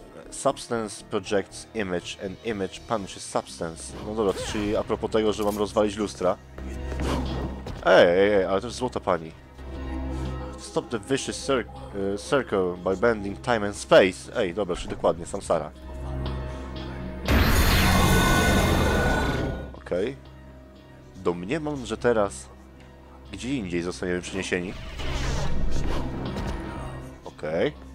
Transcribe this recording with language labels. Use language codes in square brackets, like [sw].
[en] Substance projects image, and image punishes substance. [pl] No dobra, to czyli a propos tego, że mam rozwalić lustra. Ej, ale to jest złota pani. [en] Stop the vicious circle by bending time and space. [pl] Ej, dobra, czyli dokładnie, Samsara. Okej. Domniemam, że teraz gdzie indziej zostaniemy przeniesieni. Okej.